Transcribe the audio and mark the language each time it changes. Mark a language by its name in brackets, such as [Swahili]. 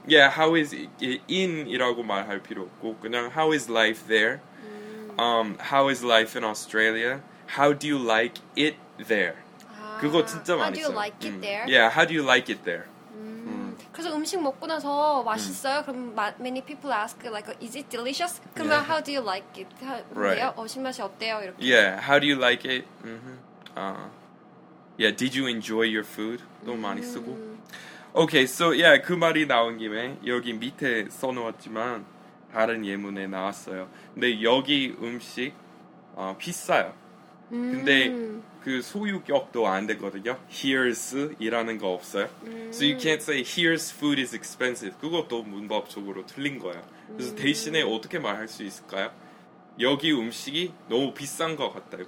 [English] Yeah, how is in [Korean] 이라고 말할 필요 없고, 그냥 [English] how is life there? How is life in Australia? How do you like it there? [Korean] 그거 진짜 많이 써요. [English] How do you like it there? Yeah, how do you like it there? [Korean] 그래서 음식 먹고 나서 맛있어요? 그럼 [English] many people ask, like, is it delicious? [Korean] 그러면 [English] how do you like it? [Korean] 어때요? 어신 맛이 어때요? 이렇게. [English] Yeah, how do you like it? Yeah, did you enjoy your food? [Korean] 너무 많이 쓰고. [English] Okay, so yeah, [Korean] 그 말이 나온 김에 여기 밑에 써놓았지만 다른 예문에 나왔어요. 근데 여기 음식 비싸요. 근데 그 소유격도 안 되거든요. [English] Here's [Korean] 이라는 거 없어요. [English] So you can't say here's food is expensive. [Korean] 그것도 문법적으로 틀린 거예요. 그래서 대신에 어떻게 말할 수 있을까요? 여기 음식이 너무 비싼 것 같아요.